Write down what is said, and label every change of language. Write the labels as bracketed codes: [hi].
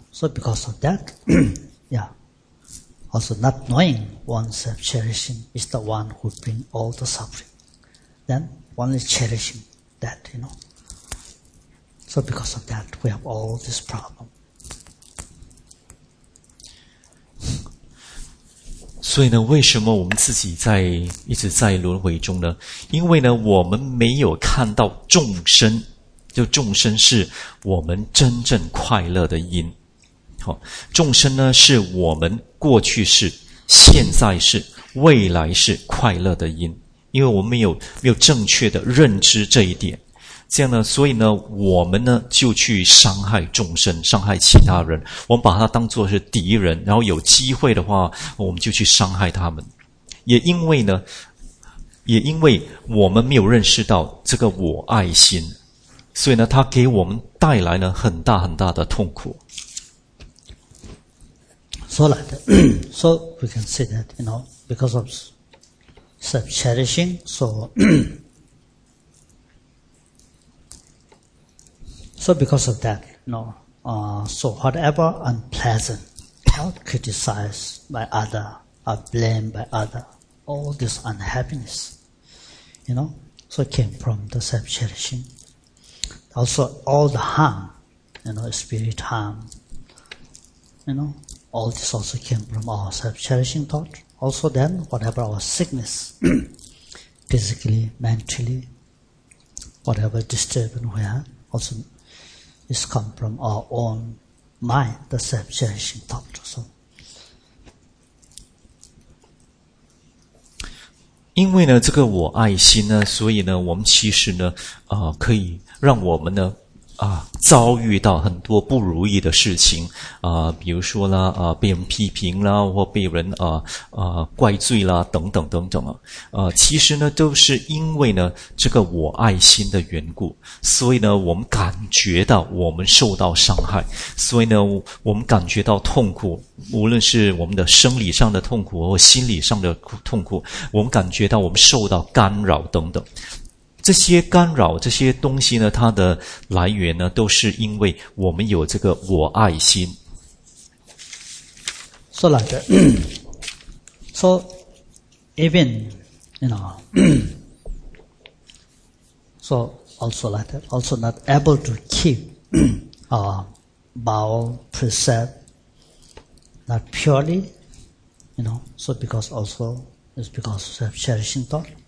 [en] So because of that, yeah, also not knowing oneself cherishing is the one who bring all the suffering. Then one is cherishing that, you know. So because of that, we have all this problem. [zh] 所以呢，为什么我们自己在一直在轮回中呢？因为呢，我们没有看到众生，就众生是我们真正快乐的因。好，众生呢，是我们过去世、现在世、未来世快乐的因。因为我们没有正确的认知这一点，这样呢，所以呢，我们呢就去伤害众生，伤害其他人，我们把他当作是敌人，然后有机会的话，我们就去伤害他们。也因为我们没有认识到这个我爱心，所以呢，它给我们带来了很大很大的痛苦。 [en] So like that, so we can say that, you know, because of self-cherishing, so. So because of that, So whatever unpleasant, not criticized by other, or blamed by other, all this unhappiness, you know, so it came from the self-cherishing. Also all the harm, you know, spirit harm, you know, all this also came from our self-cherishing thought. Also then, whatever our sickness, physically, mentally, whatever disturbance we have, also it's come from our own mind, the self-cherishing thought. So, [zh] 因为呢，这个我爱心呢，所以呢，我们其实呢，可以让我们呢，遭遇到很多不如意的事情，比如说呢，被人批评啦，或被人怪罪啦，等等等等，其实呢，都是因为呢，这个我爱心的缘故，所以呢，我们感觉到我们受到伤害，所以呢，我们感觉到痛苦，无论是我们的生理上的痛苦或心理上的痛苦，我们感觉到我们受到干扰等等。这些干扰这些东西呢，它的来源呢，都是因为我们有这个我爱心。 [en] So like that. So even, you know, so also like that, also not able to keep our bowel precept, not purely, you know, so because also, it's because of self-cherishing thought.